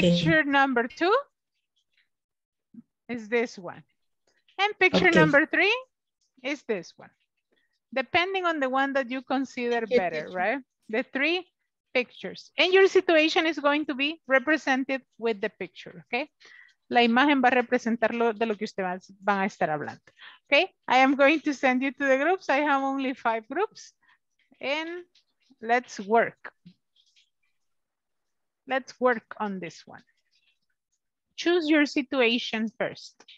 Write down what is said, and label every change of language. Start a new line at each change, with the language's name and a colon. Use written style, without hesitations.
English: Picture number two is this one. And picture okay. number three is this one. Depending on the one that you consider better, right? The three pictures. And your situation is going to be represented with the picture, okay?
Spanish: La imagen va a representar lo de lo que ustedes van a estar hablando.
English: Okay, I am going to send you to the groups. I have only 5 groups. And let's work. Let's work on this one. Choose your situation first.